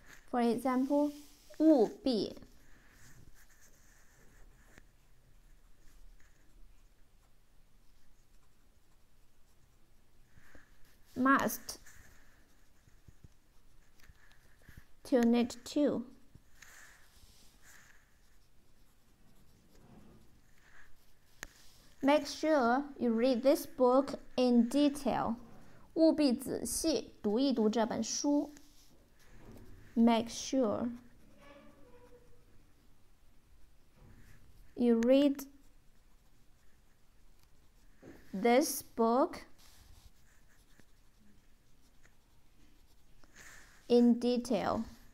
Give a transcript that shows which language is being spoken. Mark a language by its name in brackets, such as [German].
[English] For example, 务必 Must. To need to. Make sure you read this book in detail. [Chinese] 务必仔细读一读这本书。 [English] Make sure you read this book in detail.